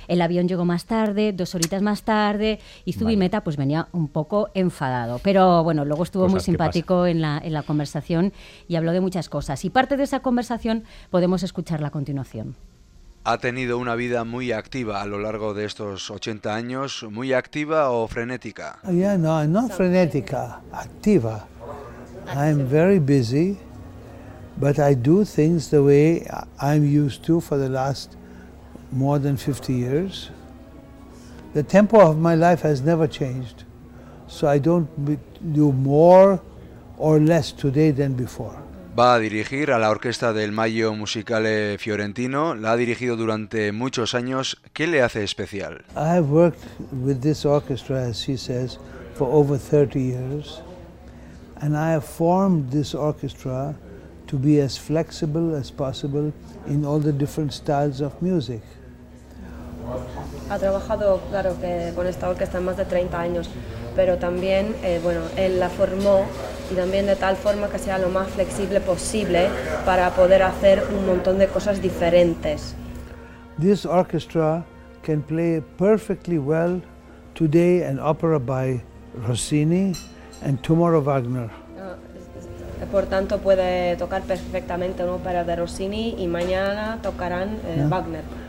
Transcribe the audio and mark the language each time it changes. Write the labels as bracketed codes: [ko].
[es] El avión llegó más tarde, dos horitas más tarde... Y Zubin Mehta pues venía un poco enfadado, pero bueno, luego estuvo cosas muy simpático en la conversación y habló de muchas cosas. Y parte de esa conversación podemos escucharla a continuación. Ha tenido una vida muy activa a lo largo de estos 80 años, ¿muy activa o frenética? [en] Yeah, [es] no frenética, activa. [en] I'm very busy, but I do things the way I'm used to for the last more than 50 years. The tempo of my life has never changed, so I don't do more or less today than before. [es] Va a dirigir a la orquesta del Mayo Musicale Fiorentino. La ha dirigido durante muchos años. ¿Qué le hace especial? [en] I have worked with this orchestra, as she says, for over 30 years, and I have formed this orchestra to be as flexible as possible in all the different styles of music. [es] Ha trabajado, claro, que con esta orquesta más de 30 años, pero también, bueno, él la formó y también de tal forma que sea lo más flexible posible para poder hacer un montón de cosas diferentes. [en] This orchestra can play perfectly well today an opera by Rossini and tomorrow Wagner. [es] Por tanto, puede tocar perfectamente una ópera de Rossini y mañana tocarán Wagner.